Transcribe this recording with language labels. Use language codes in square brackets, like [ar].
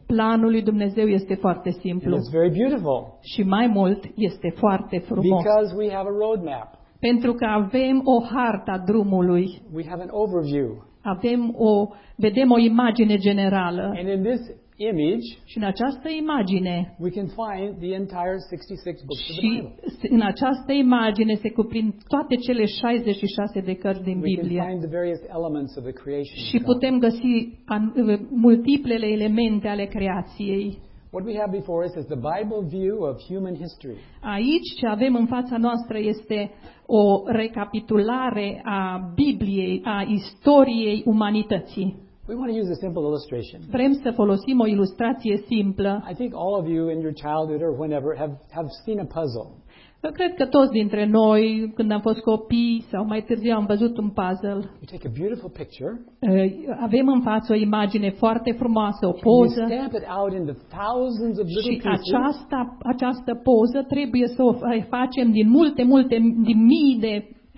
[ro] Planul lui Dumnezeu este foarte simplu. [en] And it's very beautiful. [ro] Și mai mult, este foarte frumos. [en] Because we have a roadmap. [ro] Pentru că avem o hartă a drumului. [en] We have an overview. [ro] Vedem o imagine generală. [en] And in this image, [ro] și în această imagine, [en] we can find the entire 66 books of the Bible. [ro] Și în această imagine se cuprind toate cele 66 de cărți din Biblie. [en] We can find the various elements of the creation. [ro] Și putem găsi multiplele elemente ale creației. [en] What we have before us is the Bible view of human history. [ro] Aici ce avem în fața noastră este o recapitulare a Bibliei, a istoriei umanității. [en] We want to use a simple illustration. [ro] Vrem să folosim o ilustrație simplă. [en] I think all of you in your childhood or whenever have seen a puzzle. [ro] Eu cred că toți dintre noi, când am fost copii sau mai târziu, am văzut un puzzle. [en] We take a beautiful picture. [ro] Avem în față o imagine foarte frumoasă, o poză. [en] You stamp it out into thousands of little pieces. [ro] Și această poză trebuie să o facem din multe, din mii de